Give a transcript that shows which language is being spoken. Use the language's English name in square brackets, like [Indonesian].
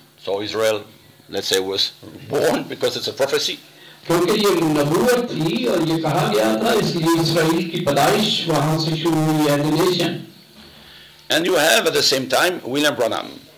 [English] so Israel, let's say, was born because it's a prophecy. [Hindi] क्योंकि ये नबूवत थी और ये कहा गया था इसलिए इस्राएल की पैदाइश वहां से शुरू हुई है nation. [English] And you have at the same time William Branham.